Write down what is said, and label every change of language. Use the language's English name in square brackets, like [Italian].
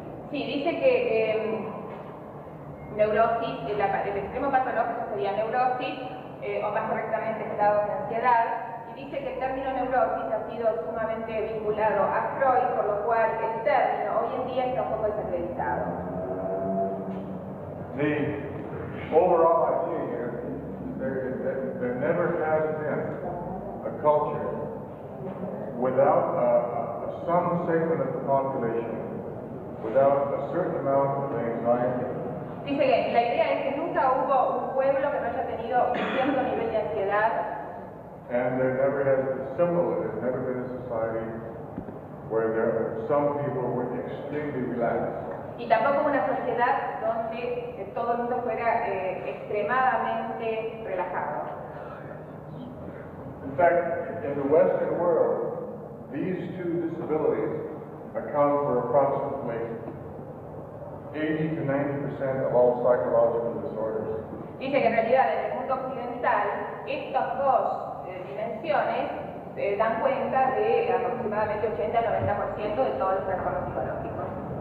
[Spanish] Sí, dice que neurosis, el extremo patológico sería neurosis, o más correctamente estado de ansiedad. Dice que el término neurosis ha sido sumamente vinculado a Freud, por lo cual el término hoy en día está un poco desacreditado. [English] The overall idea here is that there never has been a culture without some segment of the population without a certain amount of anxiety. [Spanish] Dice que la idea es que nunca hubo un pueblo que no haya tenido un cierto nivel de ansiedad. [English] And there never has been there's never been a society where there are some people were extremely relaxed. [Spanish] Y tampoco una sociedad donde todo el mundo fuera extremadamente relajado. [English] In fact, in the Western world, these two disabilities account for approximately 80-90% of all psychological disorders. [Spanish] Dice que en realidad en el mundo occidental estos dos dimensiones dan cuenta de aproximadamente 80-90% de todos los trastornos psicológicos.